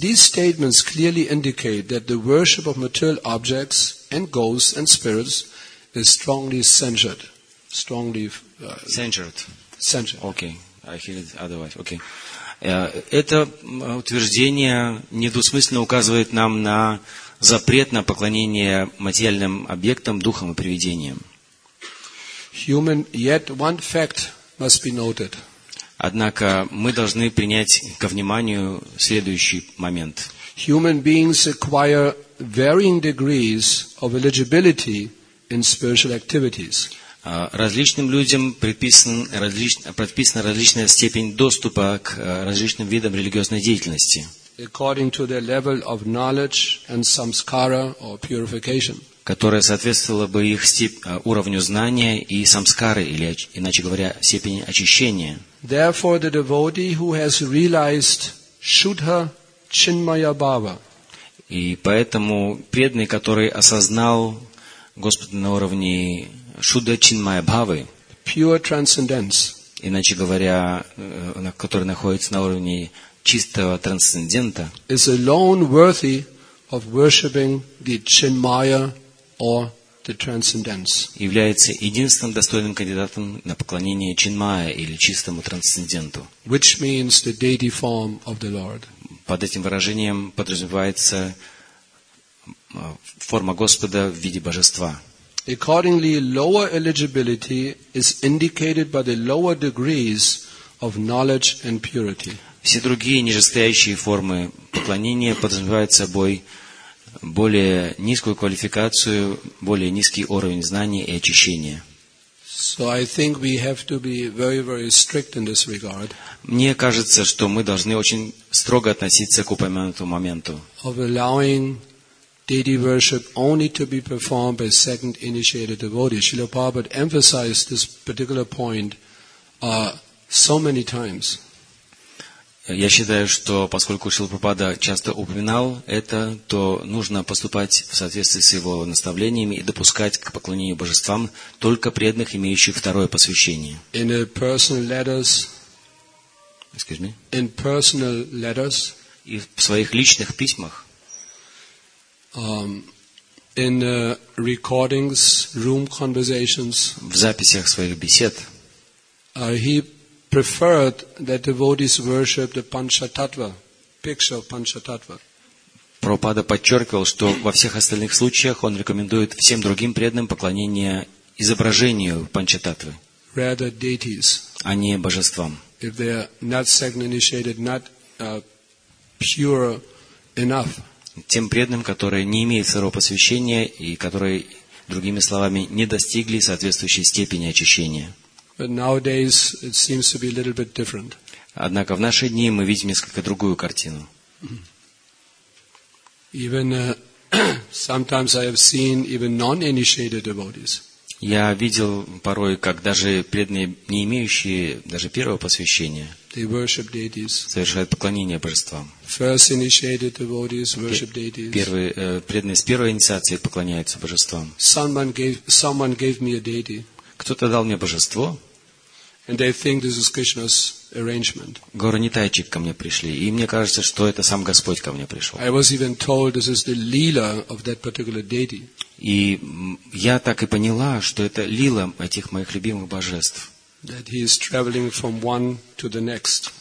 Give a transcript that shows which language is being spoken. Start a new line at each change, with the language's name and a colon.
English: These statements clearly indicate that the worship of material objects and ghosts and spirits is strongly censured. Censured. Okay. I hear it otherwise. Okay.
Russian: Это утверждение недвусмысленно указывает нам на запрет на поклонение материальным объектам, духам и привидениям.
English: Yet one fact must be noted.
Russian: Однако мы должны принять ко вниманию следующий момент.
English: Human beings acquire varying degrees of eligibility in spiritual activities.
Russian: Различным людям предписана различная степень доступа к различным видам религиозной деятельности.
English: According to their level of knowledge and samskara or purification.
Russian: Которая соответствовала бы их уровню знания и самскары, или, иначе говоря, степени очищения.
English: Therefore, the devotee who has realized Shuddha Chinmaya Bhava.
Russian: И поэтому преданный, который осознал Господа на уровне Шудда Чинмая Бхавы,
English: pure transcendence,
Russian: иначе говоря, который находится на уровне чистого трансцендента,
English: is alone worthy of worshipping the Chinmaya or the transcendence.
Russian: Является единственным достойным кандидатом на поклонение Чинмая или чистому трансценденту,
English: which means the deity form of the Lord.
Russian: Под этим выражением подразумевается форма Господа в виде божества.
English: Accordingly, lower eligibility is indicated by the lower degrees of knowledge and purity.
Russian: Все другие нижестоящие формы поклонения подразумевают собой более низкую квалификацию, более низкий уровень знания и очищения.
English: So I think we have to be very, very strict in this regard.
Russian: Мне кажется, что мы должны очень строго относиться к упомянутому моменту.
English: Of allowing deity worship only to be performed by second initiated devotees. Srila Prabhupada emphasized this particular point so many times.
Russian: Я считаю, что поскольку Шрила Прабхупада часто упоминал это, то нужно поступать в соответствии с его наставлениями и допускать к поклонению божествам только преданных, имеющих второе посвящение.
English: In personal letters, excuse me, in personal letters,
Russian: и в своих личных письмах,
English: in recordings, room conversations,
Russian: в записях своих бесед,
English: preferred that devotees worship the panchatattva, picture of panchatattva.
Russian: Прабхупада подчеркивал, что во всех остальных случаях он рекомендует всем другим преданным поклонение изображению панчататтвы,
English: rather deities,
Russian: а не божествам.
English: If they are not second initiated, not pure enough.
Russian: Тем преданным, которые не имеют второго посвящения и которые, другими словами, не достигли соответствующей степени очищения.
English: But nowadays it seems to be a little bit different.
Russian: Однако в наши дни мы видим несколько другую картину.
English: Even sometimes I have seen even non-initiated devotees.
Russian: Я видел порой, как даже преданные, не имеющие даже первого посвящения,
English: they worship deities.
Russian: Совершают поклонение божествам.
English: First initiated devotees worship deities.
Russian: Первые преданные с первой инициацией поклоняются божествам.
English: Someone gave me a deity.
Russian: Кто-то дал мне божество.
English: And they think this is Krishna's arrangement.
Russian: Горанитайчик ко мне пришли, и мне кажется, что это сам Господь ко мне пришел.
English: I was even told this is the lila of that particular deity.
Russian: И я так и поняла, что это лила этих моих любимых божеств.
English: That he is traveling from one to the next.